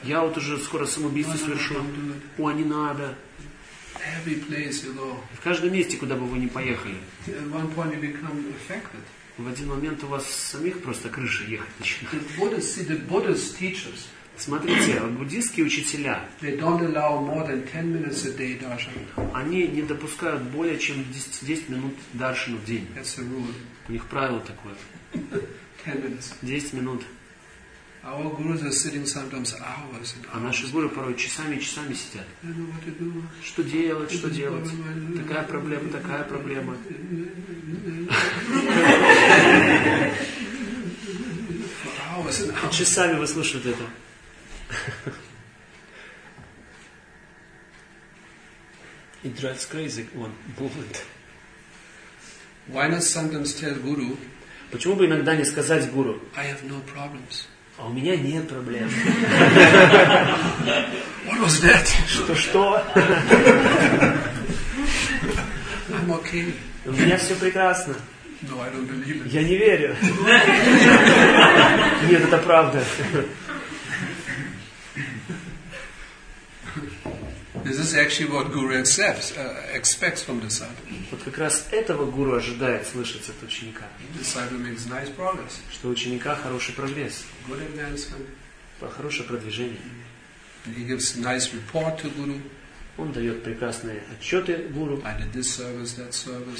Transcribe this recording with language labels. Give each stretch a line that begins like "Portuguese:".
Russian: Я вот уже скоро самоубийство совершу. О, не надо.
English: Every place you go.
Russian: В каждом месте, куда бы вы ни поехали.
English: One point you become affected.
Russian: В один момент у вас самих просто крыша ехать начинает.
English: The Buddhist teachers,
Russian: смотрите, буддийские учителя,
English: they don't allow more than 10 minutes a day darshan.
Russian: Они не допускают более чем 10 минут даршану в день.
English: That's a rule.
Russian: У них правило такое. 10 минут.
English: Our gurus are sitting sometimes hours and hours.
Russian: А наши гуру порой часами сидят. Что делать? Такая проблема. Часами выслушивают это.
English: It drives crazy one bullet. Why not sometimes tell guru?
Russian: Почему бы иногда не сказать гуру?
English: I have no problems.
Russian: А у меня нет проблем.
English: What was that?
Russian: Что?
English: I'm okay.
Russian: У меня все прекрасно.
English: No, I don't believe it.
Russian: Я не верю. Нет, это правда.
English: This is actually what guru expects from the disciple.
Russian: Вот как раз этого гуру ожидает слышать от ученика.
English: Disciple makes nice progress.
Russian: Что у ученика хороший прогресс.
English: Good advancement.
Russian: Хорошее продвижение.
English: He gives nice report to guru.
Russian: Он дает прекрасные отчеты гуру.
English: I did this service, that service.